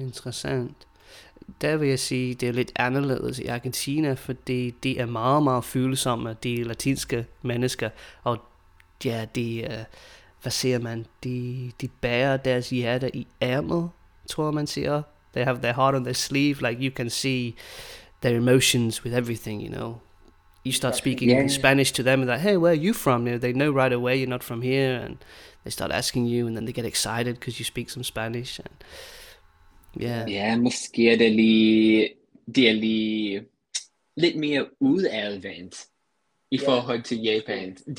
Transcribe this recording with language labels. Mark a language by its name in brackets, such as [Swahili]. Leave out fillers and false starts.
[Danish] Interessant. Der vil jeg sige, det er lidt anderledes i Argentina, fordi de er meget, meget følsomme, de latinske mennesker, og ja, de bærer deres hjerte i ærmet, tror man siger. [English] They have their heart on their sleeve, like you can see their emotions with everything, you know. You start speaking in Spanish to them, and like, hey, where are you from? You know, they know right away you're not from here, and they start asking you, and then they get excited because you speak some Spanish. And yeah. [Danish] Yeah, måske er det lidt mere udadvendt i forhold til Japan.